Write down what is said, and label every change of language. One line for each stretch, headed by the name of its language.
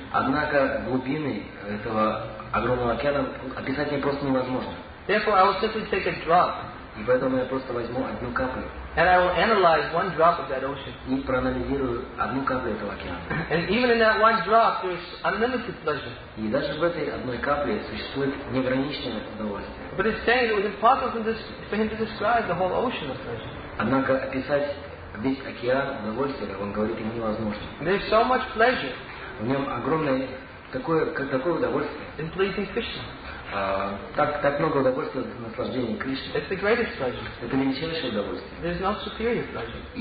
Russian: Однако глубины этого огромного океана описать мне просто невозможно.
English: Therefore, I will simply take a drop.
Russian: И поэтому я просто возьму одну каплю.
English: And I will analyze one drop of that ocean.
Russian: И проанализирую одну каплю этого океана.
English: And even in that one drop, there's unlimited pleasure.
Russian: И даже в этой одной капле существует неограниченное удовольствие.
English: But it's saying it was impossible for him to describe the whole ocean of pleasure.
Russian: Однако описать весь океан удовольствия, он говорит, ему невозможно.
English: There's so much pleasure.
Russian: В нем огромное такое удовольствие.
English: In pleasing Krishna.
Russian: Так много удовольствия в наслаждении Кришны.
English: It's the greatest pleasure.
Russian: Это величайшее удовольствие.
English: There's no superior pleasure.